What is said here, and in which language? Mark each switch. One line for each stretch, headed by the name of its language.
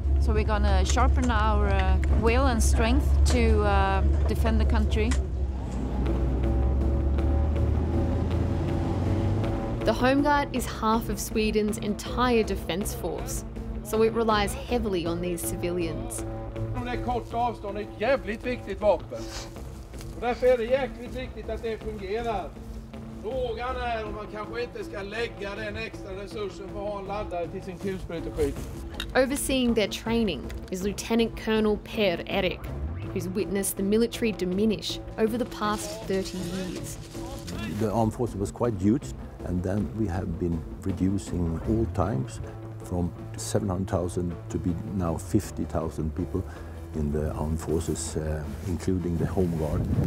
English: So we're going to sharpen our will and strength to defend the country. The Home Guard is half of Sweden's entire defence force, so it relies heavily on these civilians.
Swedish: Det är kort avstånd, ett jävligt viktigt vapen. Och därför är det jäkligt viktigt att det fungerar. Frågan är om man kanske inte ska lägga den extra resursen för att ha en laddare till sin kulspruteskytt.
English: Overseeing their training is Lieutenant Colonel Per Erik, who's witnessed the military diminish over the past 30 years. The armed forces was quite huge, and then we have been reducing all times from 700,000 to be now 50,000 people in the armed forces, including the Home Guard.